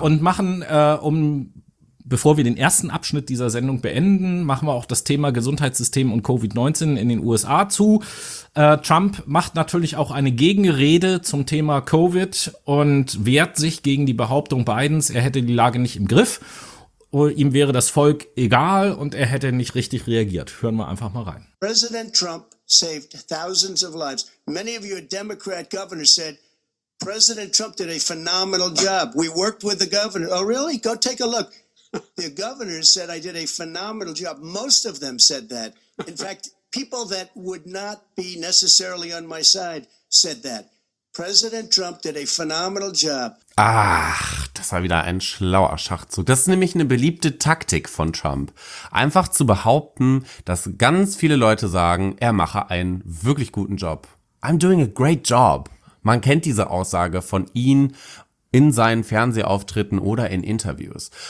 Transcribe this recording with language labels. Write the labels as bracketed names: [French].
[German] Genau, und machen bevor wir den ersten Abschnitt dieser Sendung beenden, machen wir auch das Thema Gesundheitssystem und Covid-19 in den USA zu. Trump macht natürlich auch eine Gegenrede zum Thema Covid und wehrt sich gegen die Behauptung Bidens, er hätte die Lage nicht im Griff, ihm wäre das Volk egal und er hätte nicht richtig reagiert. Hören wir einfach mal rein. [English] President Trump saved thousands of lives. Many of you Democrat governors said, President Trump did a phenomenal job. We worked with the governor. Oh really? Go take a look. The governors said I did a phenomenal job. Most of them said that. In fact, people that would not be necessarily on my side said that. President Trump did a phenomenal job. [German] Ach, das war wieder ein schlauer Schachzug. Das ist nämlich eine beliebte Taktik von Trump. Einfach zu behaupten, dass ganz viele Leute sagen, er mache einen wirklich guten Job. [English] I'm doing a great job. [German] Man kennt diese Aussage von ihm in seinen Fernsehauftritten oder in Interviews.